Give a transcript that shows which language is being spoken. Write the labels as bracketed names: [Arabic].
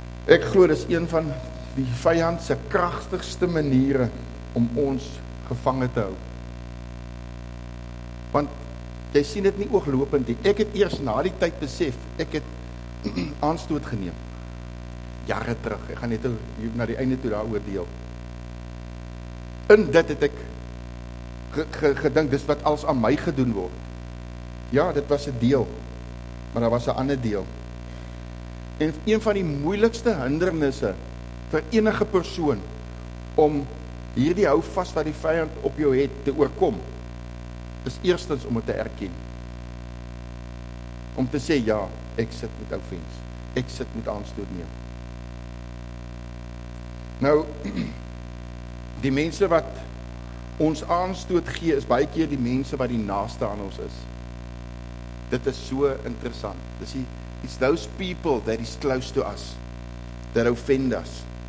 [Afrikaans] Ek glo dis een van die vyand se kragtigste maniere om ons gevange te hou. Want jy sien dit nie ooglopend nie. Ek het eers na die tyd besef, ek het aanstoot geneem. Jare terug, ek gaan net na die einde toe daaroor deel. In dit het ek gedink, dis wat als aan my gedoen word. Ja, dit was 'n deel, maar daar was 'n ander deel. En een van die moeilikste hindernisse vir enige persoon om hierdie houvas wat die vyand op jou het te oorkom, is eerstens om dit te erken. om te sê, ja, ek sit met offense, ek sit met aanstoot neem. Nou, die mense wat ons aanstoot gee, is baie keer die mense wat die naaste aan ons is. Dit is so interessant. [English] It's those people that is close to us, that offend us.